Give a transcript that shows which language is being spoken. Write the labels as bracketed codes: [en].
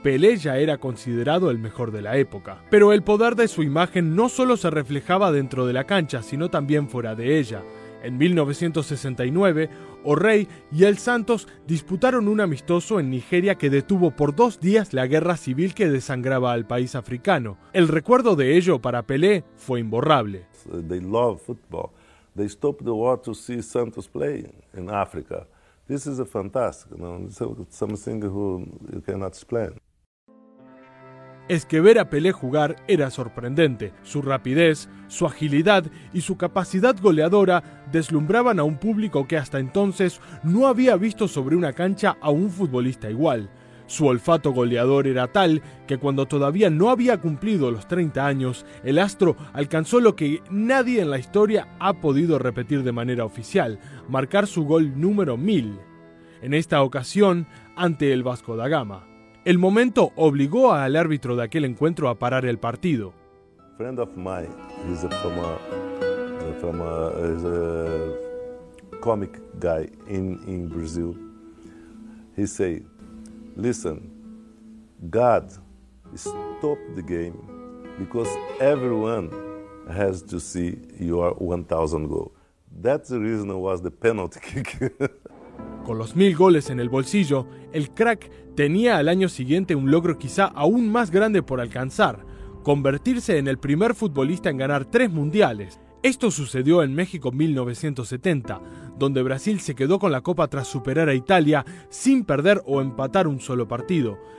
[es] Pelé ya era considerado el mejor de la época. Pero el poder de su imagen no solo se reflejaba dentro de la cancha, sino también fuera de ella. En 1969, O'Reilly y el Santos disputaron un amistoso en Nigeria que detuvo por dos días la guerra civil que desangraba al país africano. El recuerdo de ello para Pelé fue imborrable. [en] They love football. They stopped the war to see Santos play in Africa. This is a fantastic, you know, something who you cannot explain. [es] Es que ver a Pelé jugar era sorprendente. Su rapidez, su agilidad y su capacidad goleadora deslumbraban a un público que hasta entonces no había visto sobre una cancha a un futbolista igual. Su olfato goleador era tal que cuando todavía no había cumplido los 30 años, el astro alcanzó lo que nadie en la historia ha podido repetir de manera oficial: marcar su gol número 1000. En esta ocasión, ante el Vasco da Gama. El momento obligó al árbitro de aquel encuentro a parar el partido. [en] Friend of mine, he's a comic guy in Brazil. He say, listen, God stop the game because everyone has to see your 1,000 goal. That's the reason it was the penalty kick. [es] Con los 1,000 goles en el bolsillo, el crack tenía al año siguiente un logro quizá aún más grande por alcanzar: convertirse en el primer futbolista en ganar 3 mundiales. Esto sucedió en México 1970, donde Brasil se quedó con la Copa tras superar a Italia sin perder o empatar un solo partido.